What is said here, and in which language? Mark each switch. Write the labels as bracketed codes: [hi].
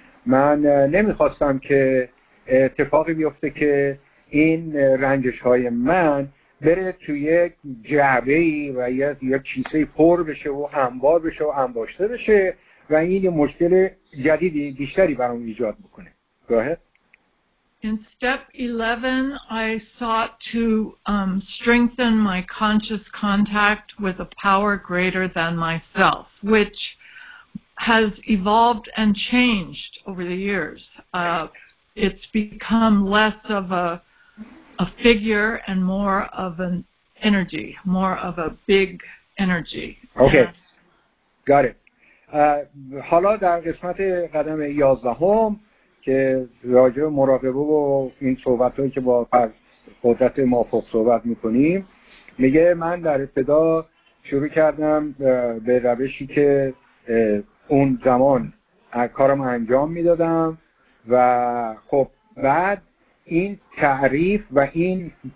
[fa] من نمیخواستم که اتفاقی بیفته که این رنجش های من بره توی یک جعبه ای و یک کیسه پر بشه و هموار بشه و انباشته بشه و این مشکل جدیدی بیشتری برام ایجاد بکنه. راحت. [en] In step 11, I sought to strengthen my conscious contact with a power greater than myself, which has evolved and changed over the years. It's become less of a figure and more of an energy, more of a big energy. Okay, yes. Got it. [fa] حالا در قسمت قدم 11 که راجع به مراقبه و این صحبت‌هایی که با قدرت مافوق صحبت می‌کنیم، میگه من در ابتدا شروع کردم به روشی که اون زمان کارم انجام می‌دادم و خب بعد این تعریف و این